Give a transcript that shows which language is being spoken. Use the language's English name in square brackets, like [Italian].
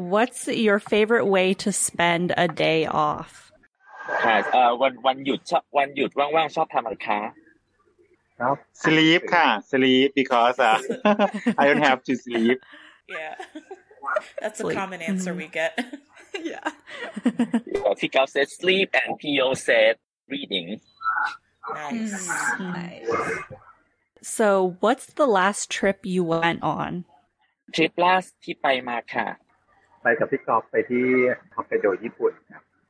[English] What's your favorite way to spend a day off? [Thai] Has วันหยุดว่างๆชอบทำอะไรคะ [English] Sleep ค่ะ sleep because I don't have to sleep. Yeah, that's sleep. A common answer we get. Yeah. Yeah. Pico said sleep and Pio said reading. Nice. So, what's the last trip you went on? [Thai] ทริปล่าสุดที่ไปมาค่ะ ไปกับพี่กอล์ฟไปที่ฮอกไกโดญี่ปุ่นครับ